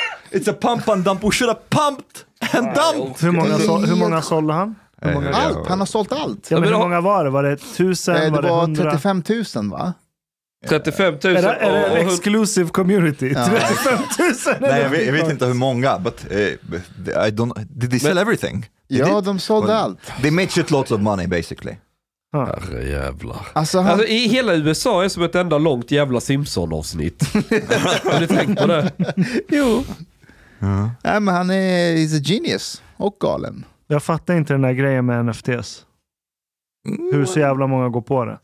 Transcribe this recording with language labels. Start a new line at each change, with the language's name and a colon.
English: It's a pump and dump. We should have pumped and dumped.
Swedish: Hur många sålde han? Allt, han har sålt allt. Ja, men hur många var det? Var det 1000? Det var 35 000, va? 35 000. Är det en
English: exclusive community?
Swedish: Ja. 35 000. Nej, jag vet inte hur många,
English: but I don't. Did they sell everything?
Swedish: Ja, de sålde allt.
English: They made shit lots of money, basically.
Swedish: Herre jävlar. Alltså i hela USA är som ett enda långt jävla Simpson-avsnitt. Har du tänkt på det? Jo. Ja. Nej, men han är
English: he's a genius
Swedish: och galen. Jag fattar inte den här grejen med NFTs. Hur så jävla många går på det?